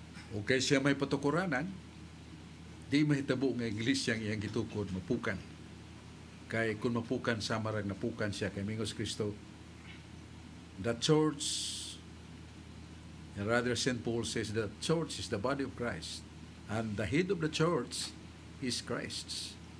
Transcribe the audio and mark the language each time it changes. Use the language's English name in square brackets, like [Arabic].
[Cebuano] O kaya siya may patukuranan, di mahitabo ng Iglesia ang iyang gitukod, mapukan. Kaya kung mapukan, samarag napukan siya kay Mingos Kristo. [English] The church, and rather St. Paul says, the church is the body of Christ. And the head of the church is Christ.